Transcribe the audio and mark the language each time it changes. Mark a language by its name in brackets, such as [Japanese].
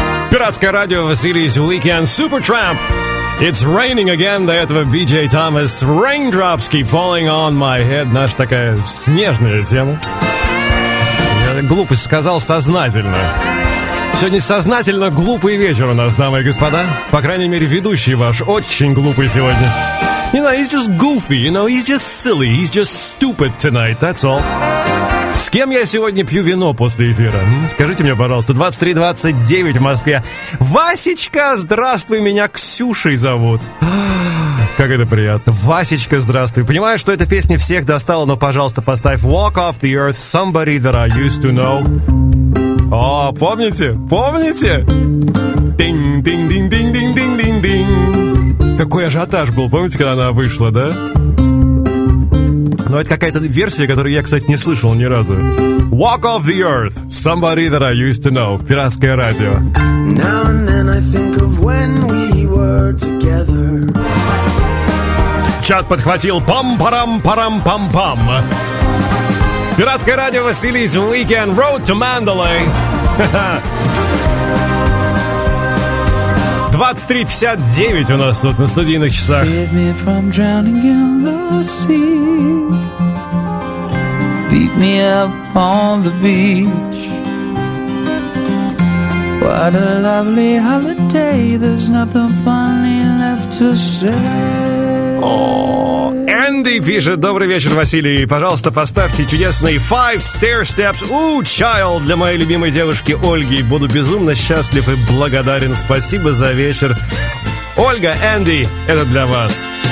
[Russian] Пиратское радио, Василий's Weekend, Supertramp. [English] It's raining again, [Russian] до этого [English] BJ Thomas. Raindrops keep falling on my head. [Russian] Наша такая снежная тема. Я глупость сказал сознательно. Сегодня сознательно глупый вечер у нас, дамы и господа. По крайней мере, ведущий ваш очень глупый сегодня. [English] You know, he's just goofy, you know, he's just silly, he's just stupid tonight, that's all. [Russian] С кем я сегодня пью вино после эфира? Скажите мне, пожалуйста, 23:29 в Москве. Васечка, здравствуй, меня Ксюшей зовут. Как это приятно. Васечка, здравствуй. Понимаю, что эта песня всех достала, но, пожалуйста, поставь Walk Off The Earth, Somebody That I Used To Know. О, помните? Помните? Динь-динь-динь-динь-динь-динь-динь-динь. Какой ажиотаж был, помните, когда она вышла, да? Но это какая-то версия, которую я, кстати, не слышал ни разу. [English] Walk off the earth, somebody that I used to know. [Russian] Пиратское радио. [English] Now and then I think of when we were together. [Russian] Чат подхватил. Пам-парам-парам-пам-пам. Пиратское радио, Василий's Weekend, Road to Mandalay. 23:59 у нас тут на студийных часах. [English] Save me from drowning in the sea. Beat me up on the beach. What a lovely holiday. There's nothing funny left to say. [Russian] Энди пишет: добрый вечер, Василий. Пожалуйста, поставьте чудесный Five Stair Steps. Ooh, Child для моей любимой девушки Ольги. Буду безумно счастлив и благодарен. Спасибо за вечер. Ольга, Энди, это для вас.